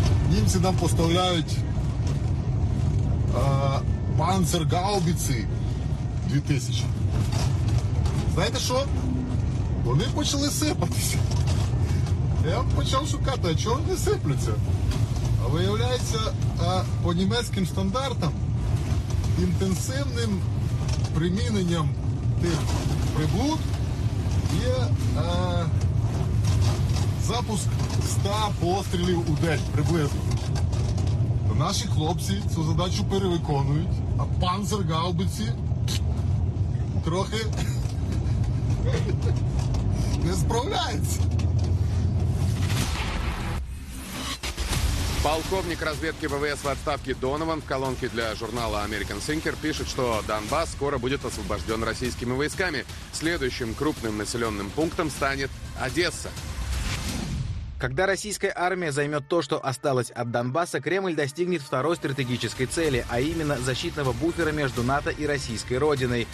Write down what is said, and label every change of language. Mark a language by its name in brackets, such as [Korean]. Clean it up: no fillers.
[Russian] Немцы нам поставляют панцергаубицы 2000. Знаете что? Они начали сыпаться. Я начал шукать, а чего они сыплются? [Ukrainian] А виявляється, по німецьким стандартам, інтенсивним приміненням тих приблуд є запуск 100 пострілів у день приблизно. То наші хлопці цю задачу перевиконують, а панцергаубиці трохи не справляються. [Russian] Полковник разведки ВВС в отставке Донован в колонке для журнала American Thinker пишет, что Донбасс скоро будет освобожден российскими войсками. Следующим крупным населенным пунктом станет Одесса. Когда российская армия займет то, что осталось от Донбасса, Кремль достигнет второй стратегической цели, а именно защитного буфера между НАТО и российской родиной.